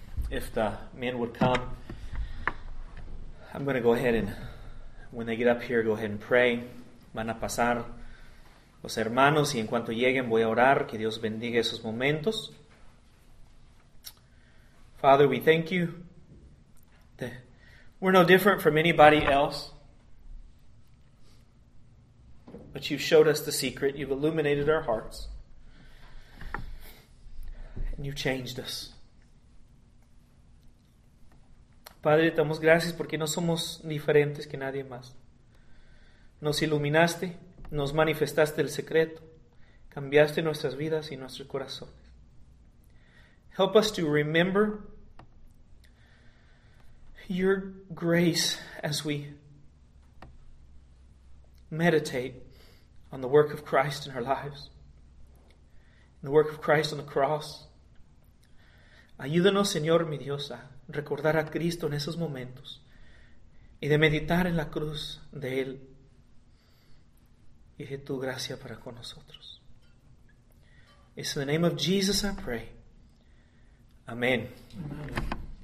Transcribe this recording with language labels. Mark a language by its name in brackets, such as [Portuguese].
[English] If the men would come, I'm going to go ahead and, when they get up here, go ahead and pray. [Spanish] Van a pasar los hermanos y en cuanto lleguen voy a orar. Que Dios bendiga esos momentos. [English] Father, we thank you that we're no different from anybody else. But you showed us the secret. You've illuminated our hearts. And you've changed us. [Spanish] Padre, te damos gracias porque no somos diferentes que nadie más. Nos iluminaste, nos manifestaste el secreto, cambiaste nuestras vidas y nuestros corazones. [English] Help us to remember your grace as we meditate on the work of Christ in our lives, the work of Christ on the cross. [Spanish] Ayúdanos, Señor, mi Dios, a recordar a Cristo en esos momentos y de meditar en la cruz de Él y de tu gracia para con nosotros. [English] It's in the name of Jesus I pray. Amen. Amen.